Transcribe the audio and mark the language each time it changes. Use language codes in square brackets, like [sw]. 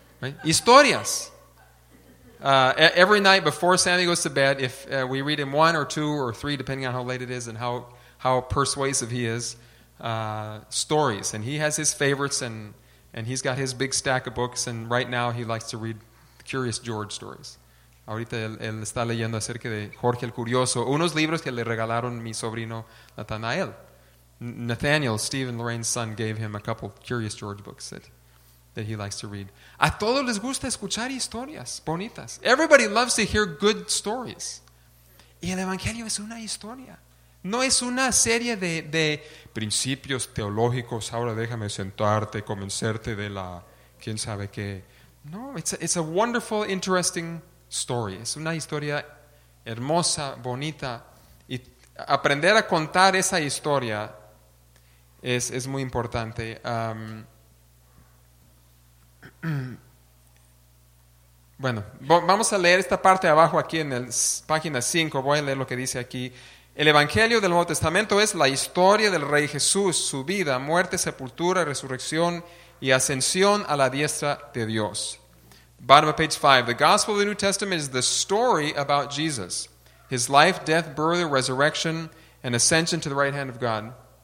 [en] Right? Historias. Every night before Sammy goes to bed, if we read him one or two or three, depending on how late it is and how persuasive he is, stories. And he has his favorites and he's got his big stack of books, and right now he likes to read Curious George stories. [es] Ahorita él está leyendo acerca de Jorge el Curioso, unos libros que le regalaron mi sobrino Nathanael. [en] Nathaniel, Steve and Lorraine's son, gave him a couple Curious George books that he likes to read. [es] A todos les gusta escuchar historias bonitas. [en] Everybody loves to hear good stories. [es] Y el Evangelio es una historia. No es una serie de principios teológicos. Ahora déjame sentarte, convencerte de la quién sabe qué. [en] No, it's a wonderful, interesting story. [es] Es una historia hermosa, bonita. Y aprender a contar esa historia es muy importante. Bueno, vamos a leer esta parte de abajo aquí en página 5. Voy a leer lo que dice aquí. El Evangelio del Nuevo Testamento es la historia del Rey Jesús, su vida, muerte, sepultura, resurrección y ascensión a la diestra de Dios. [en] Bottom of page 5. The Gospel of the New Testament is the story about Jesus, his life, death, burial, resurrection, and ascension to the right hand of God.